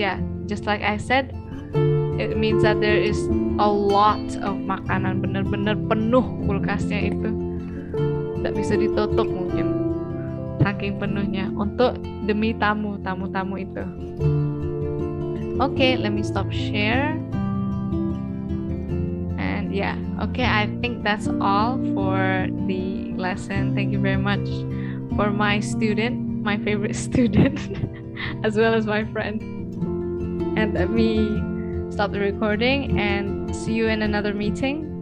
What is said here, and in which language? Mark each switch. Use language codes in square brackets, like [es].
[en] Yeah, just like I said, it means that there is a lot of makanan, [id] benar-benar penuh kulkasnya itu. Tidak bisa ditutup mungkin, saking penuhnya, untuk demi tamu-tamu itu. [en] Okay, let me stop share. And yeah, okay, I think that's all for the lesson. Thank you very much for my student, my favorite student, as well as my friend. And let me stop the recording and see you in another meeting.